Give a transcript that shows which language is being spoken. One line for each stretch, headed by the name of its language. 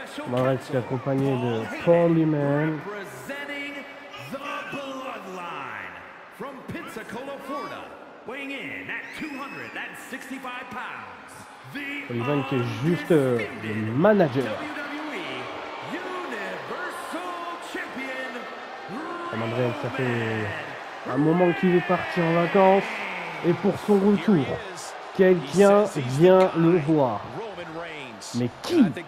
French: Marat s'est accompagné de Paul Heyman.
English: Representing the Bloodline from Pensacola, Florida, weighing in at 265 pounds.
French: Paul Heyman qui est juste le manager. WWE Universal Champion. Roman Reigns, ça fait un moment qu'il est parti en vacances et pour son retour, quelqu'un vient le voir. Mais qui?